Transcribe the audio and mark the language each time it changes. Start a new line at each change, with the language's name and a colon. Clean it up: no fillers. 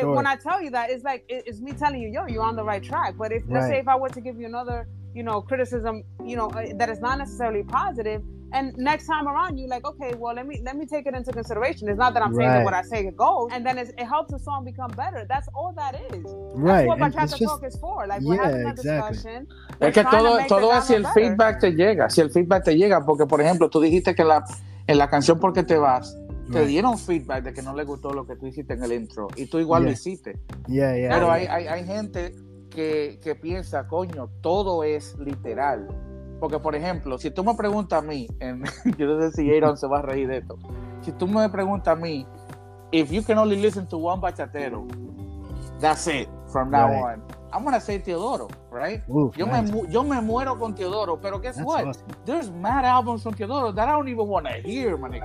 English: And when I tell you that, it's like, it's me telling you, yo, you're on the right track. But if, let's say, if I were to give you another, you know, criticism, you know, that is not necessarily positive, and next time around you're like, okay, well, let me take it into consideration. It's not that I'm saying that what I say it goes, and then it helps the song become better. That's all that is. Right. That's what Bachata Talk is for. Like, we're having a discussion.
Spanish: Es que todo es si el feedback te llega, porque, por ejemplo, tú dijiste que en la canción ¿Por qué te vas? Te dieron feedback de que no le gustó lo que tú hiciste en el intro, y tú igual lo hiciste.
English: Yeah.
Spanish: Pero hay gente que piensa, coño, todo es literal. Porque, por ejemplo, si tú me preguntas a mí, yo no sé si Aaron se va a reír de esto. Si tú me preguntas a mí,
English: if you can only listen to one bachatero, that's it from now on. I'm going to say Teodoro, right?
Spanish: Yo me muero con Teodoro, pero
English: guess what? Awesome. There's mad albums from Teodoro that I don't even want to hear, my nigga.